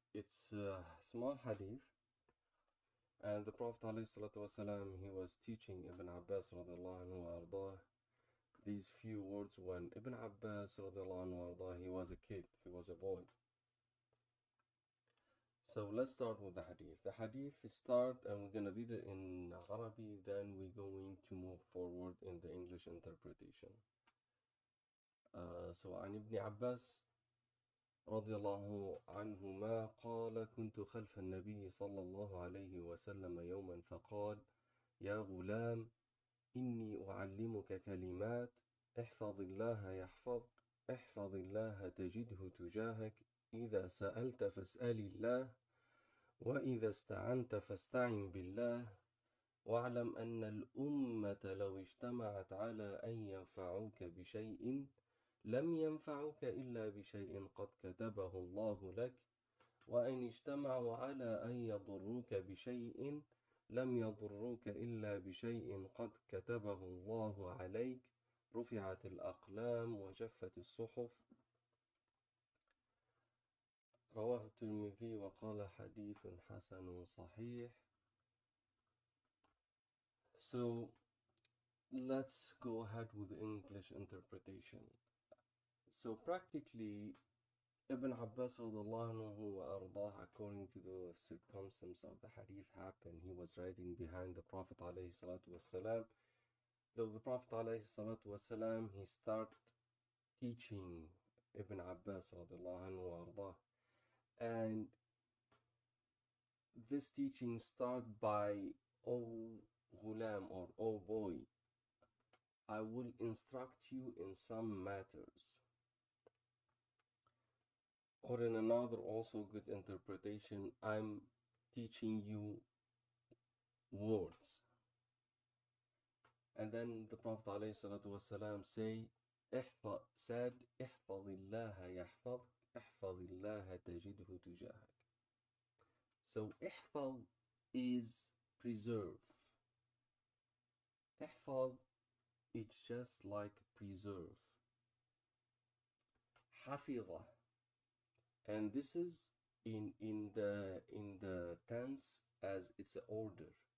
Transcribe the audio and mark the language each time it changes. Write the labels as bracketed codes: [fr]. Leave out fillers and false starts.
[en] It's a small hadith, and the Prophet ﷺ, he was teaching Ibn Abbas radiallahu anhu ardah these few words when Ibn Abbas radiallahu anhu ardah, he was a kid, he was a boy. So let's start with the hadith. The hadith start, and we're going to read it in Arabic, then we're going to move forward in the English interpretation. So an [ar] Ibn Abbas رضي الله عنهما قال كنت خلف النبي صلى الله عليه وسلم يوما فقال يا غلام إني أعلمك كلمات احفظ الله يحفظك احفظ الله تجده تجاهك إذا سألت فاسأل الله وإذا استعنت فاستعن بالله واعلم أن الأمة لو اجتمعت على أن ينفعوك بشيء لم ينفعك إلا بشيء قد كتبه الله لك وإن اجتمعوا على أن يضروك بشيء لم يضروك إلا بشيء قد كتبه الله عليك رفعت الأقلام وجفت الصحف رواه الترمذي وقال حديث حسن صحيح. [en] So let's go ahead with English interpretation. So practically, Ibn Abbas radiallahu anhu wa ardah, according to the circumstances of the hadith happened, he was riding behind the Prophet alayhi salatu wasalam. Though the Prophet alayhi salatu wasalam, he started teaching Ibn Abbas radiallahu anhu wa ardah. And this teaching started by, O ghulam, or O boy, I will instruct you in some matters. Or in another also good interpretation, I'm teaching you words. And then the Prophet ﷺ said, [ar] احفظ الله يحفظك احفظ الله تجده تجاهك. [en] So احفظ is preserve. احفظ, it's just like preserve. [ar] حفظة. [en] And this is in the tense as it's an order.